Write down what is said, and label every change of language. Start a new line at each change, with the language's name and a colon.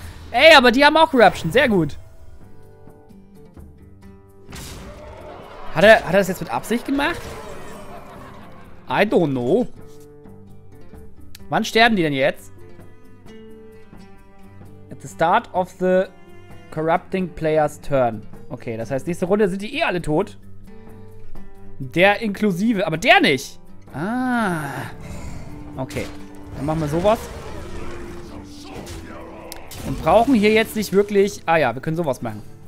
German: Ey, aber die haben auch Corruption. Sehr gut. Hat er das jetzt mit Absicht gemacht?
English: I don't know.
German: Wann sterben die denn jetzt?
English: At the start of the corrupting player's turn.
German: Okay, das heißt, nächste Runde sind die eh alle tot. Der inklusive, aber der nicht. Ah. Okay, dann machen wir sowas. Und brauchen hier jetzt nicht wirklich. Ah ja, wir können sowas machen.